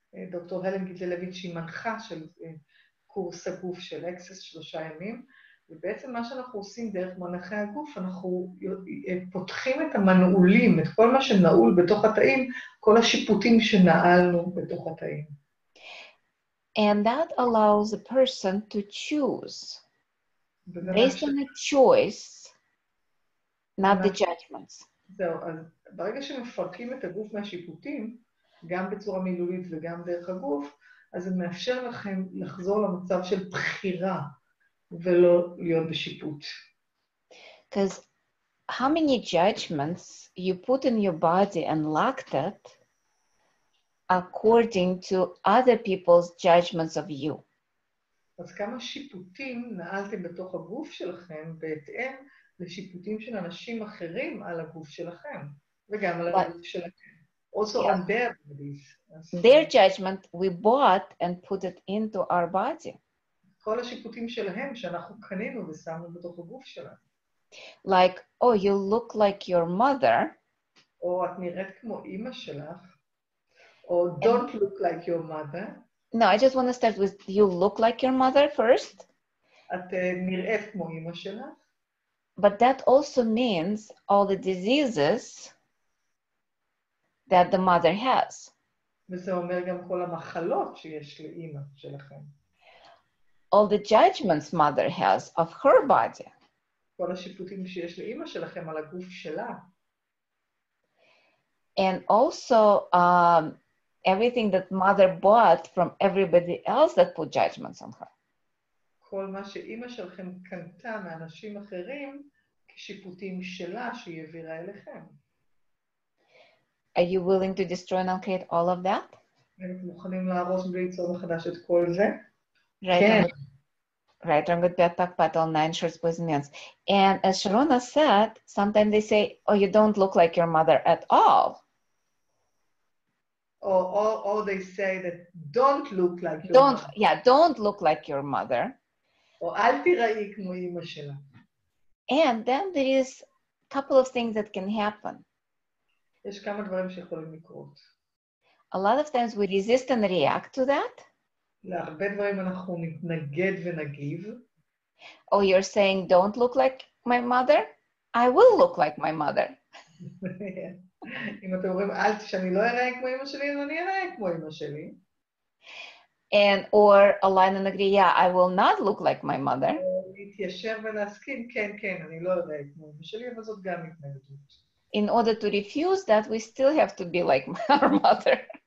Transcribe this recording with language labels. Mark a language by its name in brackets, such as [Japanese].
[Hebrew] דוקטור הלן גיטלביץ' היא מנחה של קורס הגוף של אקסס 3 ימים, ובעצם מה שאנחנו עושים דרך מנחי הגוף, אנחנו פותחים את המנעולים, את כל מה שנעול בתוך התאים, כל השיפוטים שנעלנו בתוך התאים. [English] And that allows a person to choose based on a choice, not the judgments. [Hebrew] זהו, אז ברגע שמפרקים את הגוף מהשיפוטים, גם בצורה מילולית וגם דרך הגוף, אז זה מאפשר לכם לחזור למצב של בחירה ולא להיות בשיפוט. [English] Because how many judgments you put in your body and locked it according to other people's judgments of you? [Hebrew] אז כמה שיפוטים נעלתם בתוך הגוף שלכם בהתאם לשיפוטים של אנשים אחרים על הגוף שלכם וגם על הגוף שלכם. [English] Also yeah. On their bodies. Their judgment we bought and put it into our body. [Hebrew] כל השיפוטים שלהם שאנחנו קנינו ושמנו בתוך הגוף שלנו. [English] Like, oh, you look like your mother. [Hebrew] או את נראית כמו אמא שלך. או [English] don't look like your mother. No, I just want to start with, you look like your mother first. [Hebrew] את נראית כמו אמא שלך. [English] But that also means all the diseases that the mother has. [Hebrew] וזה אומר גם כל המחלות שיש לאמא שלכם. [English] All the judgments mother has of her body. [Hebrew] כל השיפוטים שיש לאמא שלכם על הגוף שלה. [English] And also, everything that mother bought from everybody else that put judgments on her. [Hebrew] כל מה שאמא שלכם קנתה מאנשים אחרים שיפוטים שלה שהיא העבירה אליכם. [English] Are you willing to destroy and allocate all of that? [Hebrew] מוכנים להרוס וליצור מחדש את כל זה? [English] Right, wrong, good, bad, talk, battle, nine, shorts, boys, and men's. And as Sharona said, sometimes they say, oh, you don't look like your mother at all. Or they say that don't look like your mother. Yeah, don't look like your mother. [Hebrew] Or אל תראי כמו אמא שלה. [English] And then there is a couple of things that can happen. [Hebrew] יש כמה דברים שיכולים לקרות. [English] A lot of times we resist and react to that. [Hebrew] להרבה דברים אנחנו מתנגד ונגיב. [English] Oh, you're saying don't look like my mother? I will look like my mother. [Hebrew] אם אתם אומרים, אל תשאני לא אראה כמו אמא שלי, אז אני אראה כמו אמא שלי. [English] And or align and agree, yeah, I will not look like my mother. [Hebrew] להתיישר ולהסכים, כן, כן, אני לא אראה כמו אמא שלי, אבל זאת גם התנגדות. [English] In order to refuse that, we still have to be like our mother.